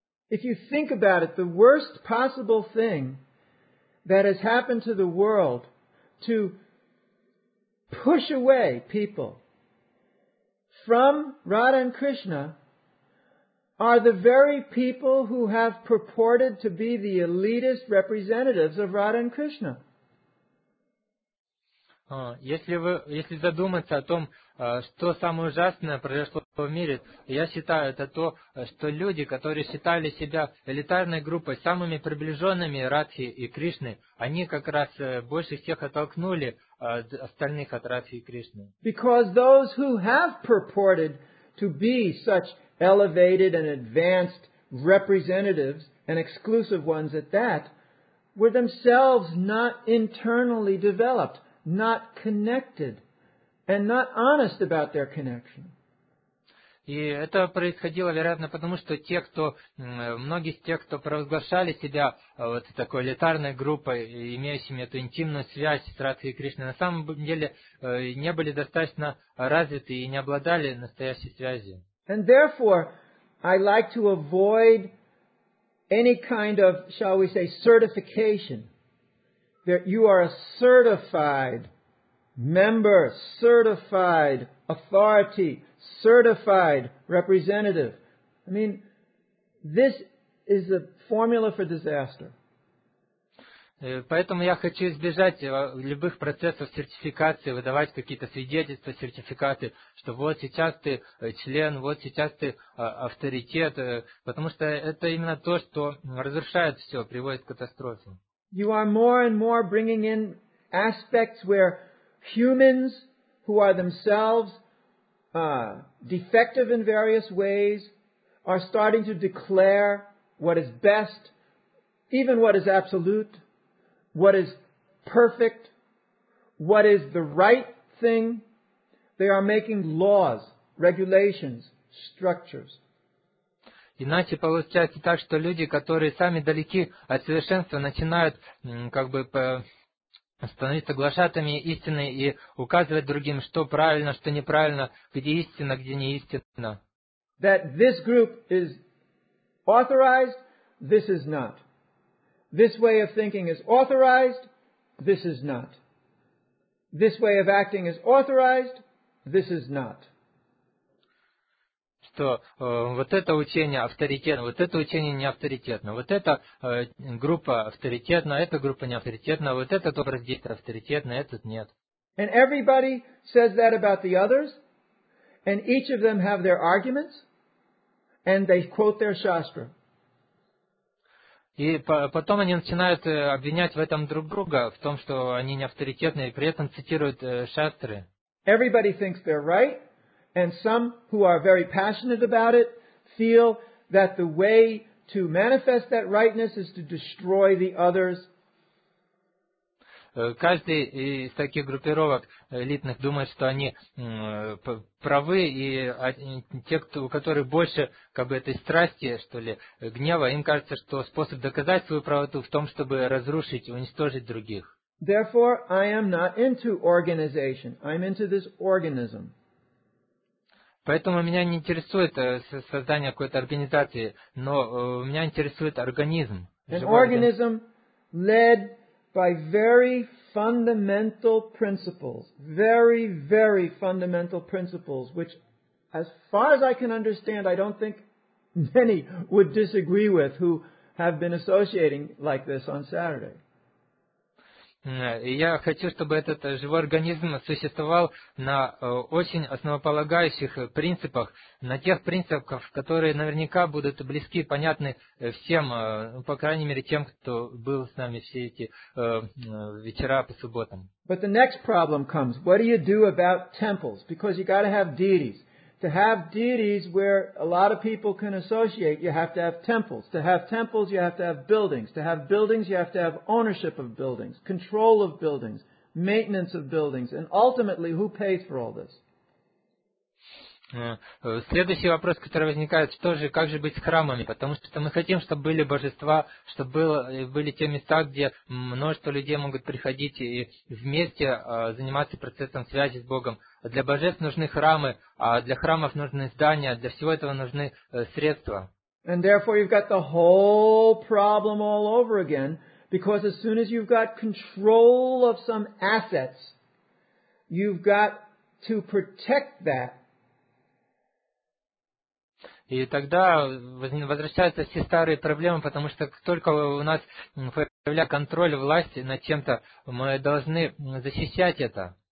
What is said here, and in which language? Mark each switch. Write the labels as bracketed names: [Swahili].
[English] If you think about it, the worst possible thing that has happened to the world to push away people from Radha and Krishna are the very people who have purported to be the elitist representatives of Radha and Krishna. [Russian] Если задуматься о том, что самое ужасное произошло в мире, я считаю, это то, что люди, которые считали себя элитарной группой, самыми приближенными Радхи и Кришны, они как раз больше всех оттолкнули остальных от Радхи и Кришны. [English] Because those who have purported to be such elevated and advanced representatives and exclusive ones at that were themselves not internally developed, not connected, and not honest about their connection. [Russian] И это происходило, вероятно, потому что те, кто, многие из тех, кто провозглашали себя вот такой элитарной группой, имеющими эту интимную связь с Радхой и Кришной, на самом деле не были достаточно развиты и не обладали настоящей связью. [English] And therefore, I like to avoid any kind of, shall we say, certification. That you are a certified Member, certified, authority, certified, representative. I mean, this is a formula for disaster. [Russian] Поэтому я хочу избежать любых процессов сертификации, выдавать какие-то свидетельства, сертификаты, что вот сейчас ты член, вот сейчас ты авторитет, потому что это именно то, что разрушает все, приводит к катастрофе. [English] You are more and more bringing in aspects where humans, who are themselves defective in various ways, are starting to declare what is best, even what is absolute. What is perfect, what is the right thing, they are making laws, regulations, structures. [Russian] Иначе получается так, что люди, которые сами далеки от совершенства, начинают как бы становиться глашатами истины и указывать другим, что правильно, что неправильно, где истина, где не истина. [English] That this group is authorized, this is not. This way of thinking is authorized, this is not. This way of acting is authorized, this is not. [Russian] Что вот это учение авторитетно, вот это учение не авторитетно, вот эта группа авторитетна, эта группа не авторитетна, вот этот образ действия авторитетно, этот нет. [English] And everybody says that about the others, and each of them have their arguments, and they quote their shastra. [Russian] И потом они начинают обвинять в этом друг друга, в том, что они не авторитетные, и при этом цитируют шастры. [English] Everybody thinks they're right, and some who are very passionate about it feel that the way to manifest that rightness is to destroy the others. [Russian] Каждый из таких группировок элитных думает, что они правы, и те, у которых больше как бы этой страсти, что ли, гнева, им кажется, что способ доказать свою правоту в том, чтобы разрушить, уничтожить других. [English] Therefore, I am not into organization. I'm into this organism. [Russian] Поэтому меня не интересует создание какой-то организации, но меня интересует организм. [English] An organism led by very fundamental principles, very, very fundamental principles, which, as far as I can understand, I don't think many would disagree with who have been associating like this on Saturday. [Russian] Я хочу, чтобы этот живой организм существовал на очень основополагающих принципах, на тех принципах, которые наверняка будут близки, понятны всем, по крайней мере тем, кто был с нами все эти вечера по субботам. [English] But the next problem comes. What do you do about temples? Because you got to have deities. To have deities where a lot of people can associate, you have to have temples. To have temples, you have to have buildings. To have buildings, you have to have ownership of buildings, control of buildings, maintenance of buildings. And ultimately, who pays for all this? [Russian] Следующий вопрос, который возникает, что же, как же быть с храмами? Потому что мы хотим, чтобы были божества, чтобы были те места, где множество людей могут приходить и вместе заниматься процессом связи с Богом. Для божеств нужны храмы, а для храмов нужны здания, для всего этого нужны средства. [English] And therefore you've got the whole problem all over again, because as soon as you've got control of some assets, you've got to protect that. [Russian] И тогда возвращаются все старые проблемы, потому что только у нас появляется контроль власти над чем-то, мы должны защищать это.